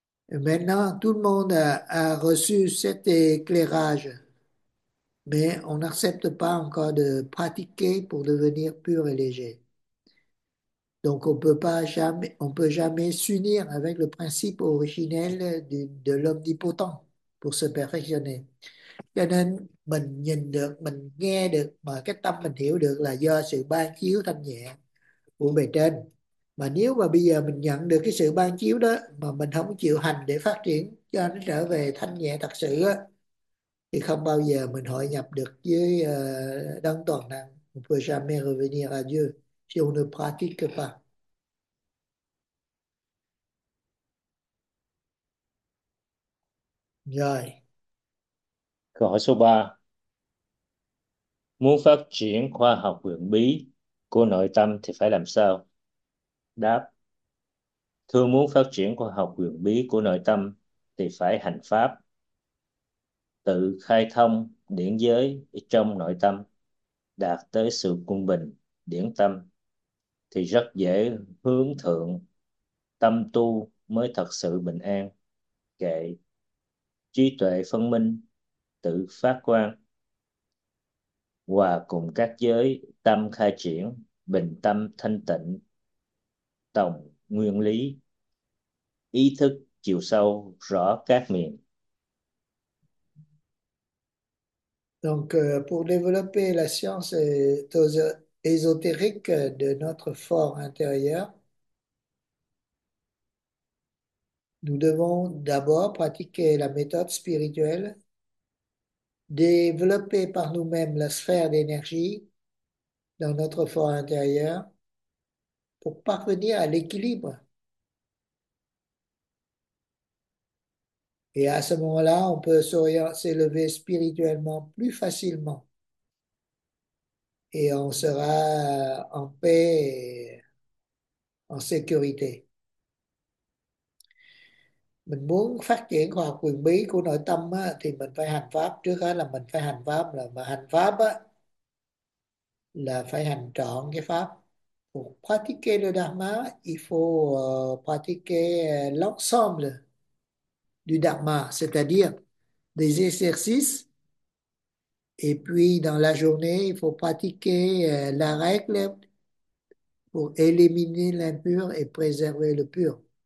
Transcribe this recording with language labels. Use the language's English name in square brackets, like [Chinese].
[French] Et maintenant, tout le monde a reçu cet éclairage, mais on n'accepte pas encore de pratiquer pour devenir pur et léger. Donc on peut jamais s'unir avec le principe originel de l'omnipotent pour se perfectionner. [Vietnamese] Cho nên mình nhìn được, mình nghe được mà cái tâm mình hiểu được là do sự ban chiếu thanh nhẹ của bề trên. Mà nếu mà bây giờ mình nhận được cái sự ban chiếu đó mà mình không chịu hành để phát triển cho nó trở về thanh nhẹ thật sự á, thì không bao giờ mình hội nhập được với đấng toàn năng. [French] On peut jamais revenir à Dieu si on ne pratique pas. [Vietnamese] Rồi. Câu hỏi số 3. Muốn phát triển khoa học huyền bí của nội tâm thì phải làm sao? Đáp: Thưa, muốn phát triển khoa học huyền bí của nội tâm thì phải hành pháp tự khai thông điển giới trong nội tâm, đạt tới sự quân bình điển tâm thì rất dễ hướng thượng, tâm tu mới thật sự bình an, kệ trí tuệ phân minh tự phát quang, hòa cùng các giới tâm khai triển, bình tâm thanh tịnh, tổng nguyên lý, ý thức chiều sâu rõ các miền. [French] Donc, pour développer la science ésotérique de notre fort intérieur, nous devons d'abord pratiquer la méthode spirituelle, développer par nous-mêmes la sphère d'énergie dans notre fort intérieur pour parvenir à l'équilibre. Et à ce moment-là, on peut s'élever spirituellement plus facilement. Et on sera en paix, en sécurité. [Vietnamese] Mình muốn phát triển khoa học quyền bí của nội tâm á, thì mình phải hành pháp. Trước hết là mình phải hành pháp, là mà hành pháp á, là phải hành trọn cái pháp. [French] Pour pratiquer le Dharma, il faut pratiquer l'ensemble du Dharma, c'est-à-dire des exercices. Et puis, dans la journée, il faut pratiquer la règle pour éliminer l'impur et préserver le pur.